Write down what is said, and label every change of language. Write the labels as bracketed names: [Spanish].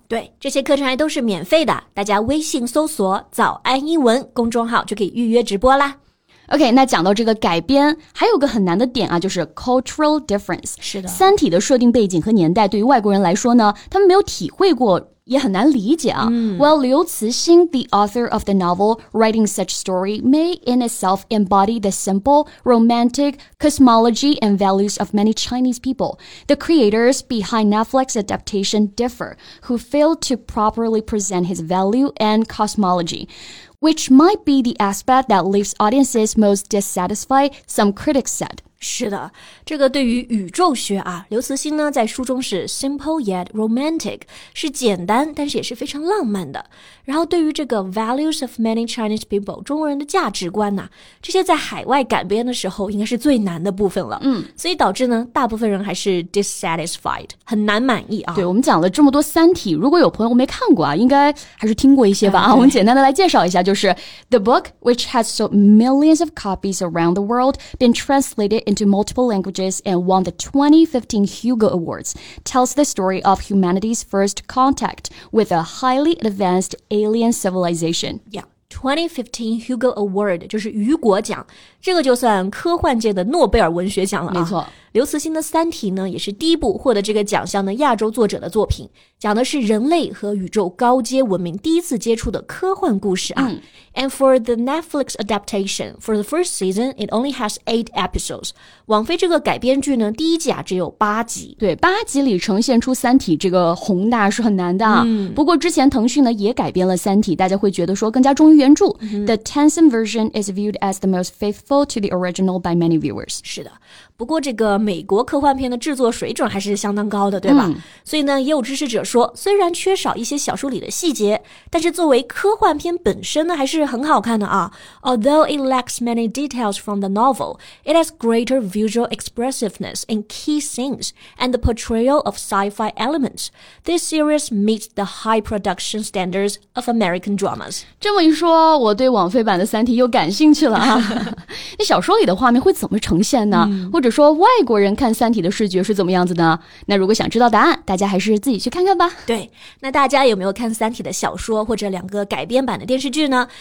[Chinese] 对，这些课程还都是免费的，大家微信搜索早安英文公众号就可以预约直播啦。 OK, 那讲到这个改编还有个很难的点啊，就是 [English] cultural difference。 [Chinese] 是的，三体的设定背景和年代对于外国人来说呢，他们没有体会过也很难理解啊、嗯、 [English] Well, 刘慈欣 the author of the novel writing such story may in itself embody the simple romantic cosmology and values of many Chinese people. The creators behind Netflix adaptation differ, who failed to properly present his value and cosmology. which might be the aspect that leaves audiences most dissatisfied, some critics said. [Chinese] 是的，这个对于宇宙学啊，刘慈欣呢在书中是 [English] simple yet romantic, [Chinese] 是简单但是也是非常浪漫的。然后对于这个 [English] values of many Chinese people, [Chinese] 中国人的价值观呢、啊、这些在海外改编的时候应该是最难的部分了。嗯，所以导致呢大部分人还是 dissatisfied, 很难满意啊。对，我们讲了这么多三体，如果有朋友没看过啊，应该还是听过一些吧。啊，我们简单的来介绍一下，就是 [English] The book, which has sold millions of copies around the world, been translatedinto multiple languages and won the 2015 Hugo Awards, tells the story of humanity's first contact with a highly advanced alien civilization. [Chinese] Yeah, 2015 Hugo Award 就是雨果奖，这个就算科幻界的诺贝尔文学奖了、啊、没错，刘慈欣的三体呢也是第一部获得这个奖项的亚洲作者的作品，讲的是人类和宇宙高阶文明第一次接触的科幻故事啊、嗯、 [English] And for the Netflix adaptation, for the first season, it only has 8 episodes. [Chinese] 网飞这个改编剧呢第一季啊只有八集。对，八集里呈现出三体这个宏大是很难的啊、嗯、不过之前腾讯呢也改编了三体，大家会觉得说更加忠于原著、嗯、 [English] The Tencent version is viewed as the most faithful to the original by many viewers. [Chinese] 是的，不过这个美国科幻片的制作水准还是相当高的，对吧、嗯、所以呢也有支持者说，虽然缺少一些小说里的细节，但是作为科幻片本身呢还是很好看的啊。 [English] Although it lacks many details from the novel, it has greater visual expressiveness in key scenes and the portrayal of sci-fi elements. This series meets the high production standards of American dramas. [Chinese] 这么一说我对网飞版的三体又感兴趣了啊。那小说里的画面会怎么呈现呢、嗯、或者说外国人看三体的视觉是怎么样子呢？那如果想知道答案，大家还是自己去看看吧。对，那大家有没有看三体的小说或者两个改编版的电视剧呢？